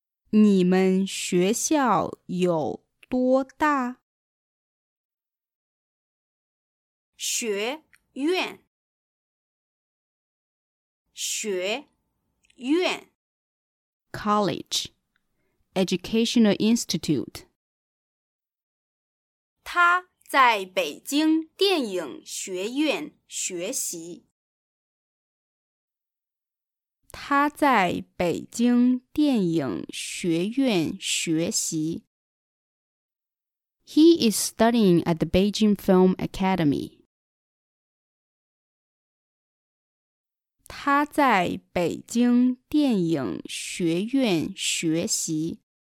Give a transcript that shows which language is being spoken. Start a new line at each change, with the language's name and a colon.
Chinese: 你们学校有多大？学院，学院。
English: College, Educational Institute.
Chinese: 他在北京电影学院学习。他在北京电影学院学习。
English: He is studying at the Beijing Film Academy.
Chinese: 他在北京电影学院学习。